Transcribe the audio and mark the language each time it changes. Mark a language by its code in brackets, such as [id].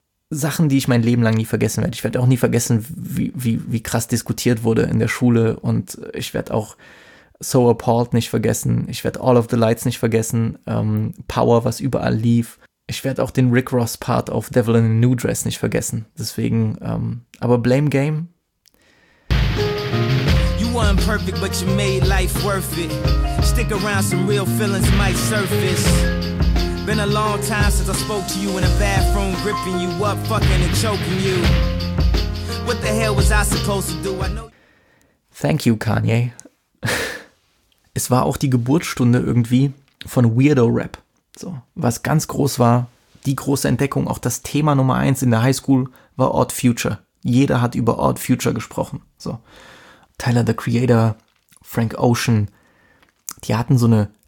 [de] Sachen, die ich mein Leben lang nie vergessen werde. Ich werde auch nie vergessen, wie krass diskutiert wurde in der Schule. Und ich werde auch So Appalled nicht vergessen. Ich werde All of the Lights nicht vergessen. Power, was überall lief. Ich werde auch den Rick Ross-Part auf Devil in a New Dress nicht vergessen. Deswegen, aber Blame Game. [en] You weren't perfect, but you made life worth it. Stick around, some real feelings might surface. Been a long time since I spoke to you in a bathroom, gripping you up, fucking and choking you. What the hell was I supposed to do? I know. Thank you, Kanye. [de] Es war auch die Geburtsstunde irgendwie von Weirdo Rap. So, was ganz groß war, die große Entdeckung, auch das Thema Nummer 1 in der Highschool, war Odd Future. Jeder hat über Odd Future gesprochen. So, Tyler, the Creator, Frank Ocean, die hatten so eine